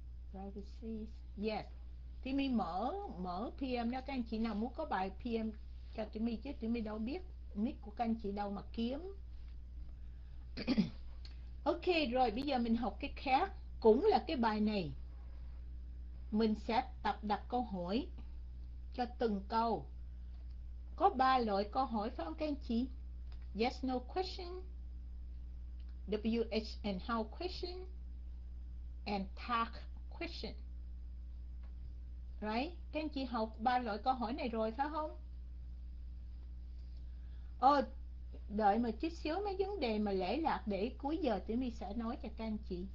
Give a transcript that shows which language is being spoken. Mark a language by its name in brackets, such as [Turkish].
[English] Privacy. Yes. [Vietnamese] Tiểu My mở PM đó. Các anh chị nào muốn có bài PM cho Tiểu My chứ Tiểu My đâu biết nick của các anh chị đâu mà kiếm. Ok rồi, bây giờ mình học cái khác. Cũng là cái bài này, mình sẽ tập đặt câu hỏi cho từng câu. Có 3 loại câu hỏi phải không các anh chị? [English] Yes, no question, WH and how question, and tag question. Right? [Vietnamese] Các anh chị học 3 loại câu hỏi này rồi phải không? Đợi mà chút xíu mấy vấn đề mà lễ lạc để cuối giờ thì mình sẽ nói cho các anh chị.